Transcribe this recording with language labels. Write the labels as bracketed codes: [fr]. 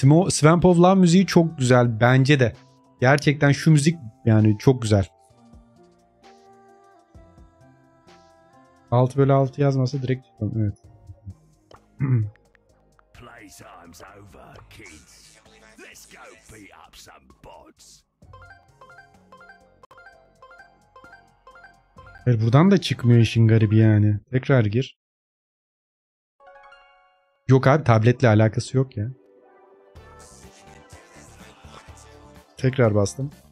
[tr] Svampov Love müziği çok güzel bence de. Gerçekten şu müzik yani çok güzel. 6/6 yazmasa direkt tutalım. Evet. [en] Playtime's over, kids. Let's go beat up some bots. [tr] Evet, buradan da çıkmıyor işin garibi yani. Tekrar gir. Yok abi, tabletle alakası yok ya. Tekrar bastım.